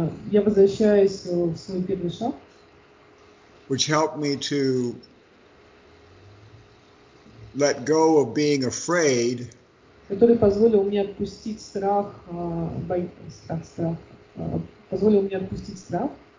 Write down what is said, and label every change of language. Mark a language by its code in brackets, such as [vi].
[ru] Я возвращаюсь в свой первый шаг. [en] Which helped me to let go of being afraid. [ru] Который позволил мне отпустить страх, позволил мне отпустить страх.